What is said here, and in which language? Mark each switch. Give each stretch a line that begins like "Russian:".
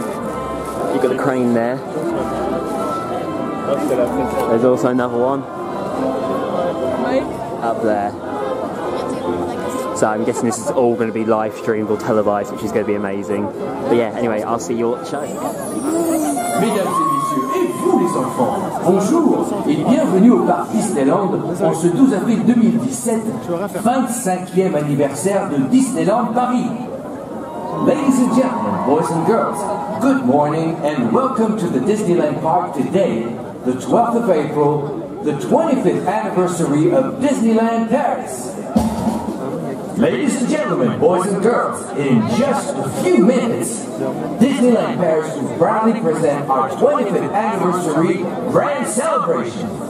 English: You've got the crane there. There's also another one. Up there. So I'm guessing this is all going to be live streamed or televised, which is going to be amazing. But yeah, anyway, I'll see you at the show.
French: Mesdames et messieurs, et vous les enfants, bonjour et bienvenue au parc Disneyland en ce 12 avril 2017, 25e anniversaire de Disneyland Paris.
English: Ladies and gentlemen, boys and girls, good morning and welcome to the Disneyland Park today, the 12th of April, the 25th anniversary of Disneyland Paris. Ladies and gentlemen, boys and girls, in just a few minutes, Disneyland Paris will proudly present our 25th anniversary grand celebration.